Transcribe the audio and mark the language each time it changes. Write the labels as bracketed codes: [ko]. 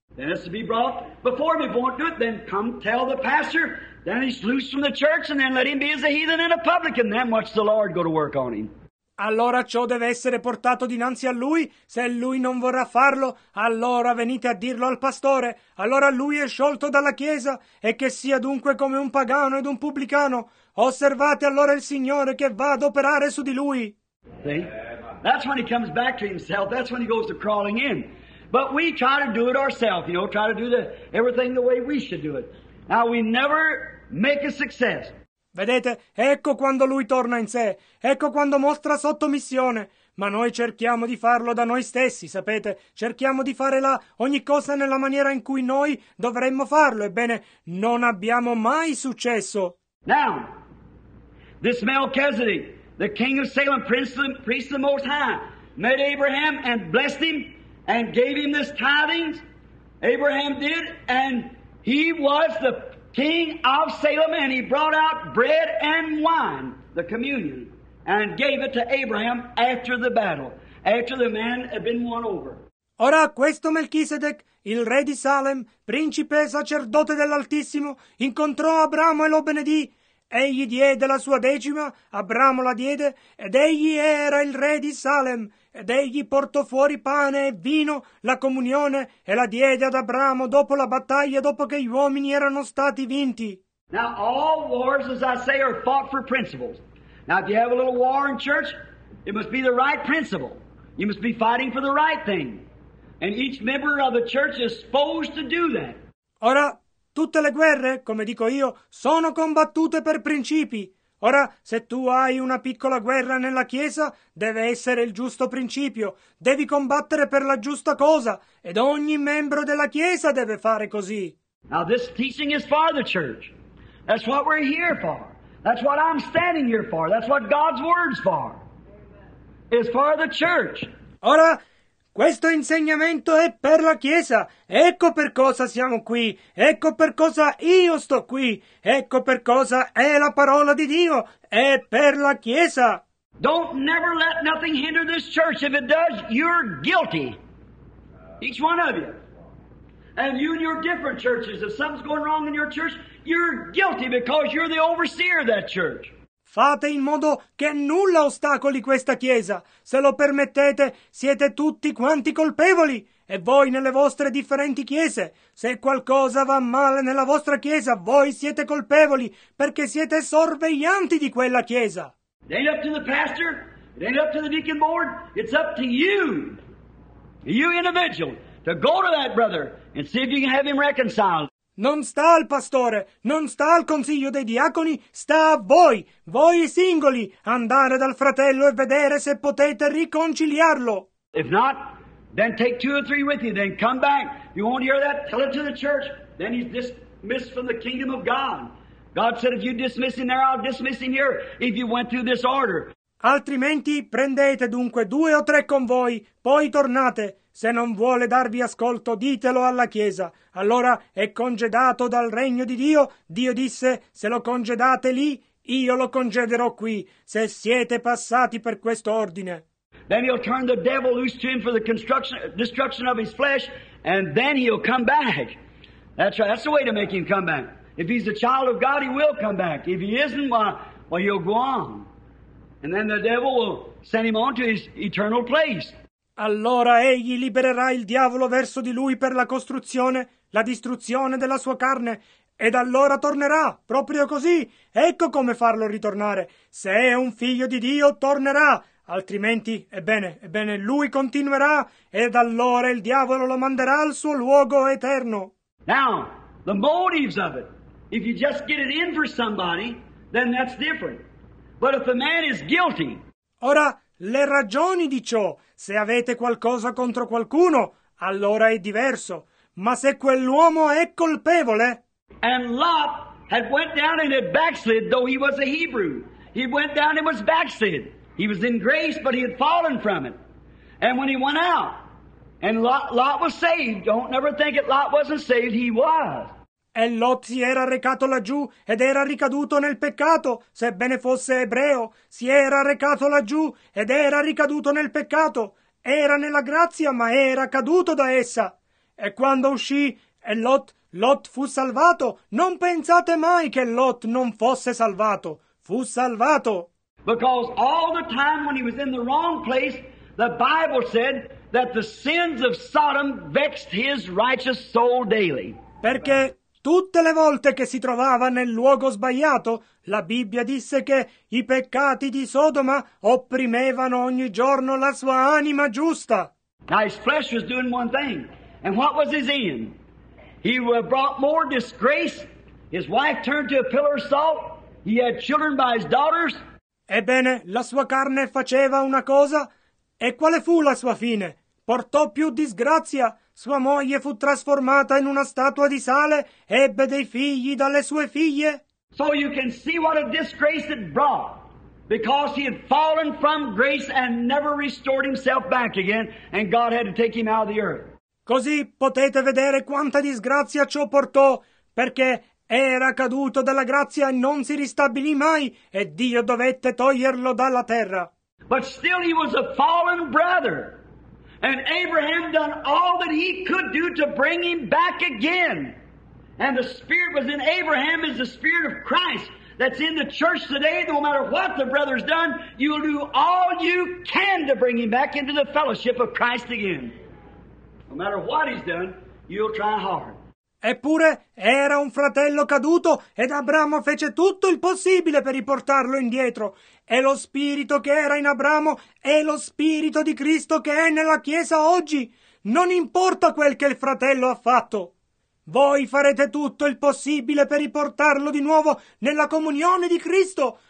[en] Then it's to be brought before me, won't do it, then come tell the pastor, then he's loose from the church, and then let him be as a heathen and a publican, then watch the Lord go to work on him. [it] Allora ciò deve essere portato dinanzi a lui. Se lui non vorrà farlo, allora venite a dirlo al pastore. Allora lui è sciolto dalla chiesa, e che sia dunque come un pagano ed un pubblicano. Osservate allora il Signore che va ad operare su di lui. [en] See? That's when he comes back to himself. That's when he goes to crawling in. But we try to do it ourselves, you know, try to do everything the way we should do it. Now we never make a success. [it] Vedete, ecco quando lui torna in sé, ecco quando mostra sottomissione, ma noi cerchiamo di farlo da noi stessi, sapete, cerchiamo di fare la ogni cosa nella maniera in cui noi dovremmo farlo, ebbene, non abbiamo mai successo. [en] Now, this Melchizedek, the king of Salem, priest of the Most High, met Abraham and blessed him and gave him this tithings, Abraham did, and he was the king of Salem, and he brought out bread and wine, the communion, and gave it to Abraham after the battle, after the man had been won over. [it] Ora questo Melchisedec, il re di Salem, principe e sacerdote dell'Altissimo, incontrò Abramo e lo benedì. Egli diede la sua decima, Abramo la diede, ed egli era il re di Salem. Ed egli portò fuori pane e vino, la comunione, e la diede ad Abramo dopo la battaglia, dopo che gli uomini erano stati vinti. [en] Now all wars, as I say, are fought for principles. Now if you have a little war in church, it must be the right principle. You must be fighting for the right thing. And each member of the church is supposed to do that. [it] Ora, tutte le guerre, come dico io, sono combattute per principi. Ora, se tu hai una piccola guerra nella chiesa, deve essere il giusto principio. Devi combattere per la giusta cosa, ed ogni membro della chiesa deve fare così. [en] Now this teaching is for the church. That's what we're here for. That's what I'm standing here for. That's what God's word's for. It's for the church. [it] Ora, questo insegnamento è per la Chiesa. Ecco per cosa siamo qui. Ecco per cosa io sto qui. Ecco per cosa è la parola di Dio. È per la Chiesa. [en] Don't never let nothing hinder this church. If it does, you're guilty. Each one of you. And you and your different churches, if something's going wrong in your church, you're guilty because you're the overseer of that church. [it] Fate in modo che nulla ostacoli questa chiesa. Se lo permettete, siete tutti quanti colpevoli. E voi nelle vostre differenti chiese, se qualcosa va male nella vostra chiesa, voi siete colpevoli perché siete sorveglianti di quella chiesa. [en] It ain't up to the pastor, it ain't up to the deacon board, it's up to you, you individual, to go to that brother and see if you can have him reconciled. [it] Non sta al pastore, non sta al consiglio dei diaconi, sta a voi, voi singoli, andare dal fratello e vedere se potete riconciliarlo. [en] If not, then take two or three with you, then come back. You won't hear that, tell it to the church, then he's dismissed from the kingdom of God. God said, if you dismiss him there, I'll dismiss him here, if you went through this order. [it] Altrimenti, prendete dunque due o tre con voi, poi tornate. Se non vuole darvi ascolto, ditelo alla Chiesa. Allora è congedato dal regno di Dio. Dio disse, se lo congedate lì, io lo congederò qui, se siete passati per questo ordine. [en] Then he'll turn the devil loose to him for the destruction of his flesh, and then he'll come back. That's right, that's the way to make him come back. If he's a child of God, he will come back. If he isn't, well, he'll go on. And then the devil will send him on to his eternal place. [it] Allora egli libererà il diavolo verso di lui per la costruzione, la distruzione della sua carne, ed allora tornerà, proprio così. Ecco come farlo ritornare. Se è un figlio di Dio, tornerà. Altrimenti, ebbene, lui continuerà, ed allora il diavolo lo manderà al suo luogo eterno. [en] Now, the motives of it. If you just get it in for somebody, then that's different. But if the man is guilty... [it] Ora, le ragioni di ciò. Se avete qualcosa contro qualcuno, allora è diverso. Ma se quell'uomo è colpevole... [en] And Lot had went down and had backslid, though he was a Hebrew. He went down and was backslid. He was in grace, but he had fallen from it. And when he went out, and Lot was saved. Don't never think that Lot wasn't saved. He was. [it] E Lot si era recato laggiù ed era ricaduto nel peccato, sebbene fosse ebreo. Si era recato laggiù ed era ricaduto nel peccato. Era nella grazia, ma era caduto da essa. E quando uscì, e Lot fu salvato. Non pensate mai che Lot non fosse salvato. Fu salvato. [en] Because all the time when he was in the wrong place, the Bible said that the sins of Sodom vexed his righteous soul daily. [it] Perché tutte le volte che si trovava nel luogo sbagliato, la Bibbia disse che i peccati di Sodoma opprimevano ogni giorno la sua anima giusta. [en] Now his flesh was doing one thing. And what was his end? He brought more disgrace. His wife turned to a pillar of salt. He had children by his daughters. [it] Ebbene, la sua carne faceva una cosa, e quale fu la sua fine? Portò più disgrazia, sua moglie fu trasformata in una statua di sale, ebbe dei figli dalle sue figlie. [en] So you can see what a disgrace it brought, because he had fallen from grace and never restored himself back again, and God had to take him out of the earth. [it] Così potete vedere quanta disgrazia ciò portò, perché... Era caduto dalla grazia e non si ristabilì mai, e Dio dovette toglierlo dalla terra. [en] But still he was a fallen brother, and Abraham done all that he could do to bring him back again. And the spirit was in Abraham is the spirit of Christ that's in the church today. No matter what the brother's done, you'll do all you can to bring him back into the fellowship of Christ again. No matter what he's done, you'll try hard. [it] Eppure era un fratello caduto ed Abramo fece tutto il possibile per riportarlo indietro. E lo spirito che era in Abramo è lo spirito di Cristo che è nella Chiesa oggi. Non importa quel che il fratello ha fatto. Voi farete tutto il possibile per riportarlo di nuovo nella comunione di Cristo.